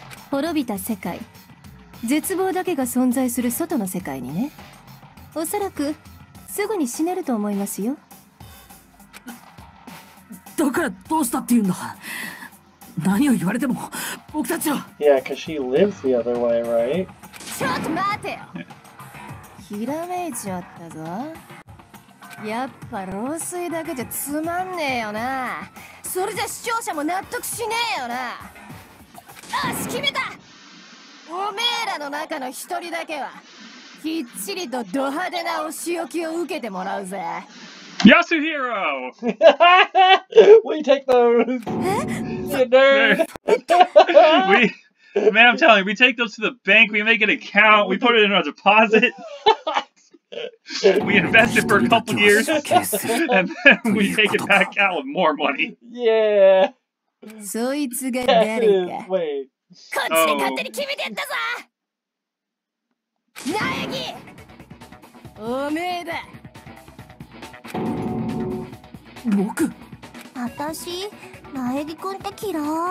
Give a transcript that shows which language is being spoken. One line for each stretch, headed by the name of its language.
Japanese: 滅びた世界、絶望だけが存在する外の世界にね。おそらくすぐに死ねると思いますよ。だからどうしたって言うんだ。何を言われても僕たちは。
English: Yeah, because she lives the other way, right?
Japanese: ちょっと待てよ。ひらめいちゃったぞ。やっぱ漏水だけじゃつまんねえよな。それじゃ視聴者も納得しねえよな。よし決めた。おめえらの中の一人だけはきっちりとド派手なお仕置きを受けてもらうぜ。ヤスヒーロー。
English: We take those. You nerd. We. Man, I'm telling you, we take those to the bank, we make an account, we put it in our deposit. We invest it for a couple years, and then we take it back out with more money. Yeah. So it's getting better. Wait. Oh.
Japanese: こっちで勝手に決めてやったぞ。苗木。おめえだ。僕。私、苗木くんって嫌い。